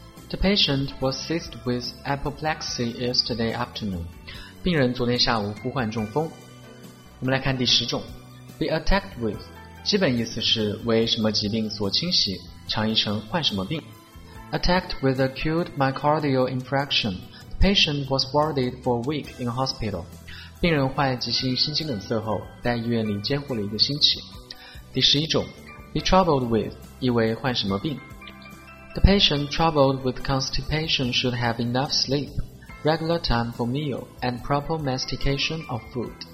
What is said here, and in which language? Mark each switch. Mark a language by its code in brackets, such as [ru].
[en] The patient was seized with apoplexy yesterday afternoon. [zh] 病人昨天下午呼唤中风。我们来看第十种， be attacked with 基本意思是为什么疾病所侵袭，常译成患什么病。 [en] Attacked with acute myocardial infraction, the patient was warded for a week in hospital. [zh] 病人患急性心肌梗塞后，在医院里监护了一个星期。第十一种， be troubled with, 意为患什么病。 [en] The patient troubled with constipation should have enough sleep, regular time for meal, and proper mastication of food.